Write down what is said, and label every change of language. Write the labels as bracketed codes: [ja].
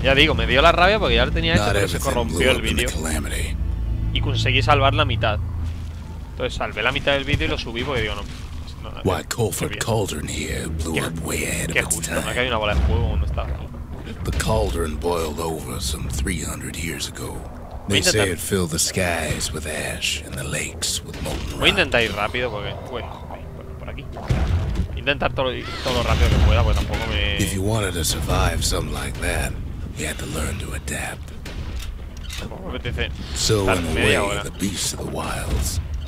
[es] Ya digo, me dio la rabia porque ya lo tenía hecho, pero se corrompió el vídeo. Y conseguí salvar la mitad. Entonces salvé la mitad del vídeo y lo subí porque digo, no. [en] Why Colford Cauldron here blew up way ahead of its time. [es] Que hay una bola de fuego cuando estaba. [en] The cauldron boiled over some 300 years ago. They say it filled the skies with ash and the lakes with molten rock. [es] Voy a intentar ir rápido porque. Bueno, por aquí. Intentar todo lo rápido que pueda porque tampoco me. [en] If you wanted to survive something like that, you had to learn to adapt. So in a way, the beasts of the wilds.